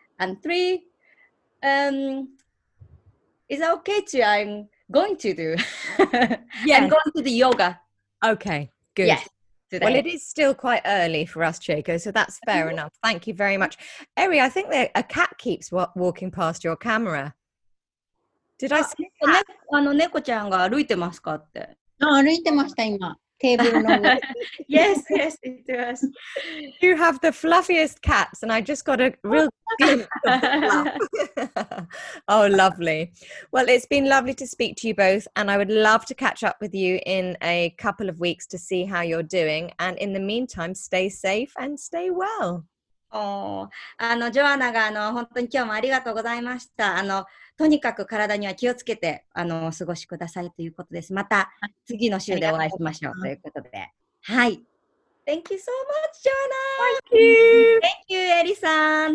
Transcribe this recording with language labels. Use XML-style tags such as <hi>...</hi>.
<en>And three, is that okay to? I'm going to do. Yeah, I'm going to the yoga. Okay, good. Yeah, today. Well, it is still quite early for us, Chieko. So that's fair enough. Thank you very much, Eri. I think a cat keeps walking past your camera. Did I see?</en> <ja>あ、ね、あの猫ちゃんが歩いてますかって。あ、歩いてました今。テーブルの</ja> <en>Yes, yes, it was. You have the fluffiest cats, and I just got a real glimpse of the fluff. Oh, lovely. Well, it's been lovely to speak to you both, and I would love to catch up with you in a couple of weeks to see how you're doing. And in the meantime, stay safe and stay well.</en> <ja>Oh, ジョアナが本当に今日もありがとうございました。とにかく体には気をつけてお過ごしくださいということです。また次の週でお会いしましょうということで。はい。</ja> <en>Thank you so much, Joanna! Thank you! Thank you, Eri さん!</en>